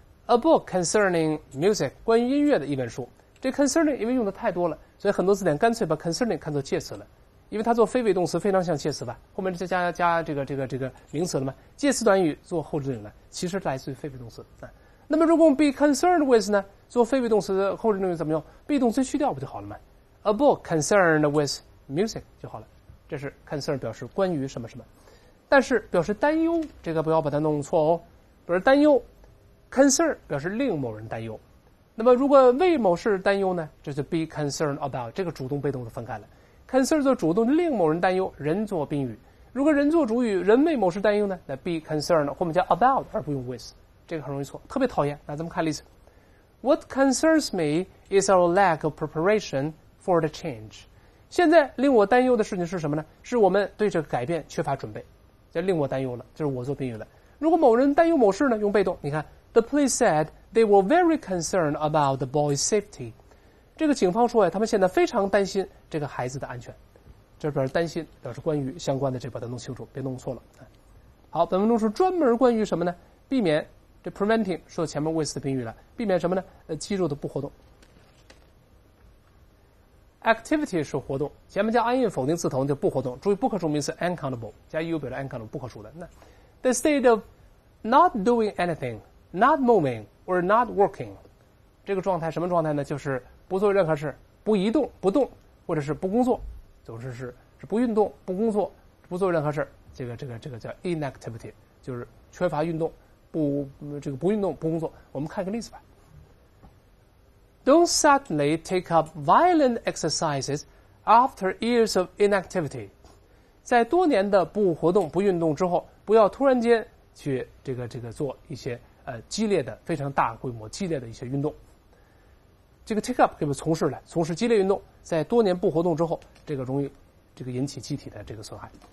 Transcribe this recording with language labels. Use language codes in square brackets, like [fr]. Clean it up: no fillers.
[zh] a book concerning music，关于音乐的一本书，这 concerning 因为用的太多了，所以很多字典干脆把 concerning 看作介词了，因为它做非谓动词非常像介词吧，后面再加这个名词了嘛，介词短语做后置定语了，其实来自于非谓动词。那么如果 be concerned with 呢，做非谓动词的后置定语怎么用？被动词去掉不就好了吗？ [en] a book concerned with music 就好了。 [zh] 这是 concern 表示关于什么什么，但是表示担忧，这个不要把它弄错哦。表示担忧 concern 表示令某人担忧，那么如果为某事担忧呢，这就 be concerned about， 这个主动被动的分开了。 Concern 做主动，令某人担忧，人做宾语。如果人做主语，人为某事担忧呢？那 be concerned 后面加 about 而不用 with， 这个很容易错，特别讨厌。 [en] 那咱们看例子 ：What concerns me is our lack of preparation for the change。 [zh] 现在令我担忧的事情是什么呢？是我们对这个改变缺乏准备，这令我担忧了，就是我做宾语了。如果某人担忧某事呢？ [en] 用被动，你看，The police said they were very concerned about the boy's safety。 [zh] 这个警方说呀，他们现在非常担心这个孩子的安全，这表示担心，表示关于相关的，这把它弄清楚，别弄错了。好，本文中是专门关于什么呢？避免这 preventing 说前面 with 的宾语了，避免什么呢？肌肉的不活动。 activity 是活动，前面加 an 否定词头就不活动，注意不可数名词 uncountable 加 you 表示 uncountable 不可数的。那 the state of not doing anything, not moving or not working，这个状态什么状态呢？就是不做任何事，不移动，不动，或者是不工作，总之是不运动，不工作，不做任何事，这个叫 inactivity，就是缺乏运动，不运动不工作。我们看个例子吧。 [en] Don't suddenly take up violent exercises after years of inactivity. [zh] 在多年的不活动不运动之后，不要突然间去这个做一些激烈的非常大规模激烈的一些运动。这个 take up 给我们从事了，从事激烈运动，在多年不活动之后，这个容易引起机体的这个损害。